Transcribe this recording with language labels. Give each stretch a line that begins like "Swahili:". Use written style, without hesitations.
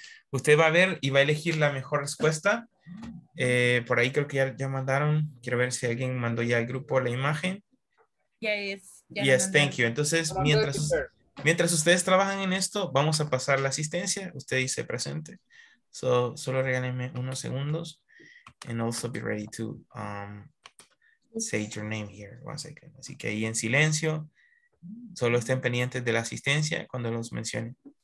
Spanish: Usted va a ver y va a elegir la mejor respuesta. Por ahí creo que ya mandaron. Quiero ver si alguien mandó ya al grupo la imagen.
English: Yes, thank you.
Spanish: Entonces, mientras ustedes trabajan en esto, vamos a pasar la asistencia. Usted dice presente. Solo regálenme unos segundos.
English: And also be ready to say your name here. One second.
Spanish: Así que ahí en silencio. Solo estén pendientes de la asistencia cuando los mencione.